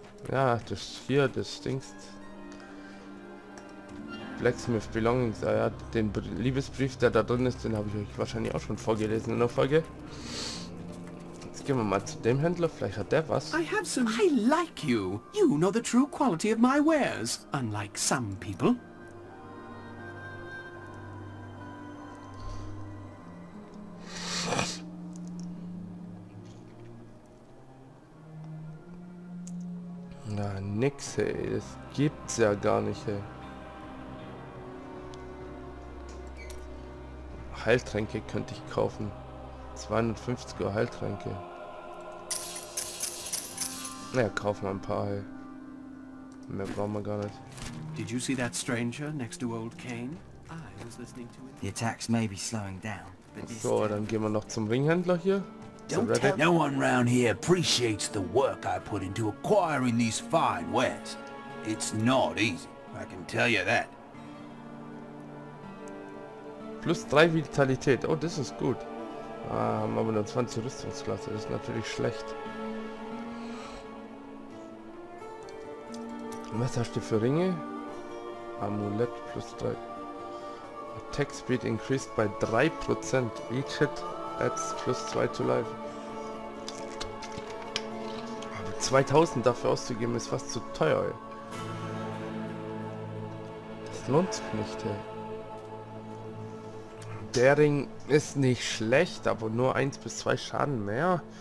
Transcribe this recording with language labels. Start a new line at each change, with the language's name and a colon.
German: Ja, das hier, das Dings. Blacksmith Belongings, ah ja, den Liebesbrief, der da drin ist, den habe ich euch wahrscheinlich auch schon vorgelesen in der Folge. Jetzt gehen wir mal zu dem Händler, vielleicht hat der was.
English: I have some. I like you. You know the true quality of my wares, unlike some people.
German: Na nix, ey, das gibt's ja gar nicht, ey. Heiltränke könnte ich kaufen. 250 Euro Heiltränke. Naja, kaufen wir ein paar. Hey. Mehr brauchen wir gar nicht.
English: Did you see that stranger next to old Kane? I was listening to it. The attacks may be slowing down.
German: So, dann gehen wir noch zum Ringhändler hier.
English: No one round here appreciates the work I put into acquiring these fine wares. It's not easy. I can tell you that.
German: Plus 3 Vitalität. Oh, das ist gut. Ah, haben aber nur 20 Rüstungsklasse. Das ist natürlich schlecht. Was hast du für Ringe? Amulett plus 3.
English: Attack Speed increased by 3%. Each hit adds plus 2 to life.
German: Aber 2000 dafür auszugeben ist fast zu teuer. Ey. Das lohnt sich nicht, ey. Der Ring ist nicht schlecht, aber nur 1 bis 2 Schaden mehr.